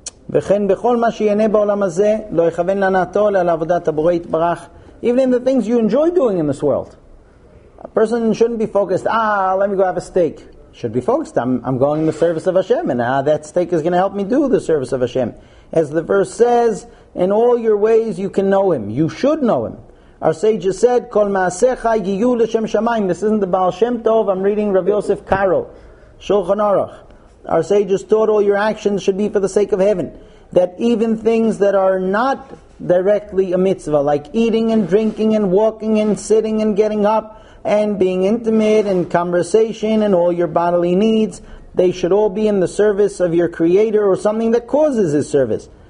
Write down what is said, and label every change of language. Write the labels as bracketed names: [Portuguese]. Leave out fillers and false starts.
[Hebrew] וכן בכל מה שיהנה בעולם הזה לא יכוון לנעתו אלא לעבודת הבורא יתברך. [English] Even in the things you enjoy doing in this world, a person shouldn't be focused, let me go have a steak. Should be focused, I'm going in the service of Hashem, and that steak is going to help me do the service of Hashem. As the verse says, in all your ways you can know Him. You should know Him. Our sages said, [Hebrew] כל מעשיך יהיו לשם שמיים. [English] This isn't the Baal Shem Tov, I'm reading Rav Yosef Karo, Shulchan Aruch. Our sages taught all your actions should be for the sake of heaven. That even things that are not directly a mitzvah, like eating and drinking and walking and sitting and getting up and being intimate and conversation and all your bodily needs, they should all be in the service of your Creator or something that causes His service.